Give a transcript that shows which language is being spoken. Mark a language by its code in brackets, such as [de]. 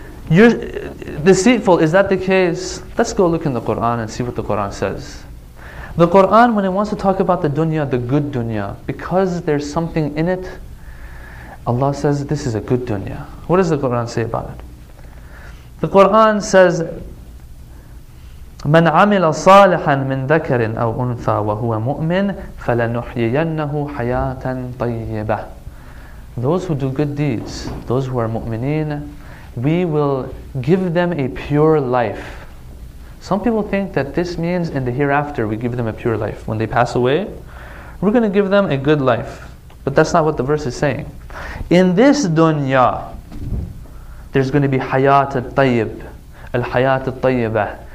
[en] You're deceitful, is that the case? Let's go look in the Qur'an and see what the Qur'an says. The Qur'an, when it wants to talk about the dunya, the good dunya, because there's something in it, Allah says this is a good dunya. What does the Qur'an say about it? The Qur'an says, [ar] مَنْ عَمِلَ صَالِحًا مِنْ ذَكَرٍ أَوْ أُنْثَى وَهُوَ مُؤْمِنٍ فَلَنُحْيَيَنَّهُ حَيَاةً طَيِّبَةً. [en] Those who do good deeds, those who are mu'mineen, we will give them a pure life. Some people think that this means in the hereafter we give them a pure life. When they pass away, we're going to give them a good life. But that's not what the verse is saying. In this dunya, there's going to be hayat al-tayyib, al-hayat al-tayyibah.